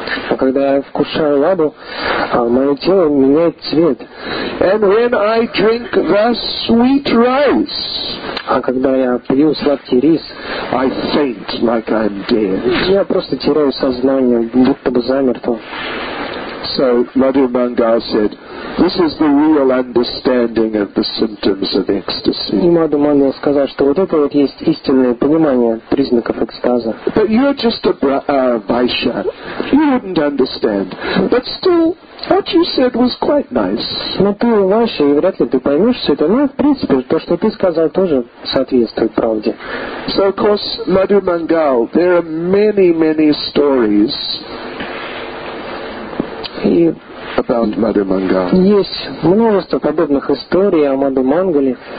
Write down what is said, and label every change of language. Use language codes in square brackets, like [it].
[ru] А когда я вкушаю ладу, мое тело меняет цвет. [en] And when I drink the sweet rice, [ru] а когда я пью сладкий рис, [en] I faint like I'm dead. [ru] Я просто теряю сознание, будто бы замертво. [en] So Madhu Mangal said, this is the real understanding of the symptoms of ecstasy. [ru] И Madhu Mangal сказал, что вот это вот есть истинное понимание признаков экстаза. [en] But you're just a Vaishya. You wouldn't understand. But still, what you said was quite nice. [ru] Но ты Vaishya, и вряд ли ты поймешь все это. Но в принципе, то, что ты сказал, тоже соответствует правде. [en] So of course, Madhu Mangal, there are many, many stories [ru] И [en] about Mother Mangala. [ru] Есть множество подобных историй о Маду Мангале.